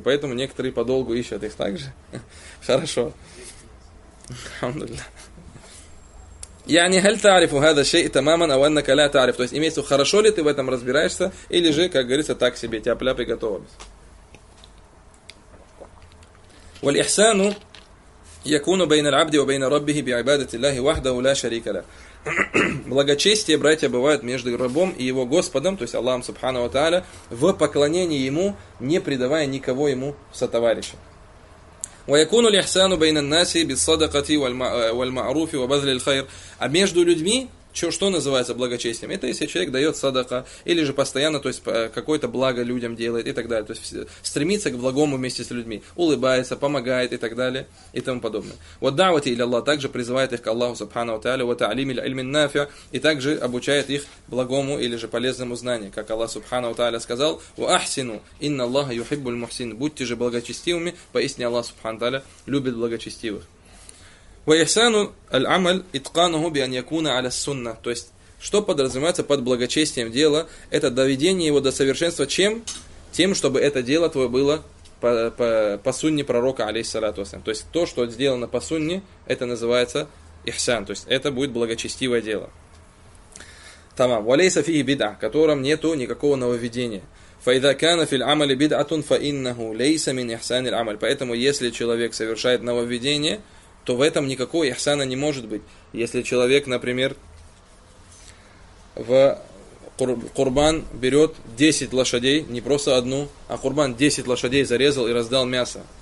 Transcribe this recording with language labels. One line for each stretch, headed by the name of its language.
Russian: Поэтому некоторые подолгу ищут их также. Хорошо.
Arabic: Яни хэль таарифу хаза шей тамаман ау аннака ля таариф.
Russian: То есть имеется в виду, хорошо ли ты в этом разбираешься, или же, как говорится, так себе, тяп-ляп и готово.
Arabic: والإحسان يكون بين العبد وبين ربه بعبادة الله وحده لا شريك له.
Russian: Благочестие, братья, бывает между рабом и его Господом, то есть Аллахом Субхану ва Тааля, в поклонении ему, не предавая никого ему в сотоварищи.
Arabic: ويكون الإحسان بين الناس بالصدقة والمعروف وبذل الخير.
Russian: А между людьми, что называется благочестием? Это если человек дает садака, или же постоянно, то есть какое-то благо людям делает и так далее. То есть стремится к благому вместе с людьми, улыбается, помогает и так далее и тому подобное. Вот дават или Аллах также призывает их к Аллаху Субхану Тааля, вот
Arabic: алими ль-ильмин нафиа,
Russian: и также обучает их благому или же полезному знанию, как Аллах Субхану Тааля сказал:
Arabic: «Ва ахсину, инна Аллаха юхиббуль мухсин».
Russian: Будьте же благочестивыми, поистине Аллах Субхану Тааля любит благочестивых.
Arabic: وإحسان العمل إتقانه بأن يكون على السنة.
Russian: То есть, что подразумевается под благочестием дела? Это доведение его до совершенства чем? Тем, чтобы это дело твое было по сунне пророка, алейхиссалату вассалям. То есть, то, что сделано по сунне, это называется ихсан. То есть, это будет благочестивое дело. Тамам.
Arabic: وليس فيه بدعة,
Russian: в котором нету никакого нововведения.
Arabic: فإذا كان في العمل بدعة فإنه ليس من إحسان العمل.
Russian: Поэтому, если человек совершает нововведение, то в этом никакого ихсана не может быть. Если человек, например, в курбан берет 10 лошадей, не просто одну, а курбан 10 лошадей зарезал и раздал мясо.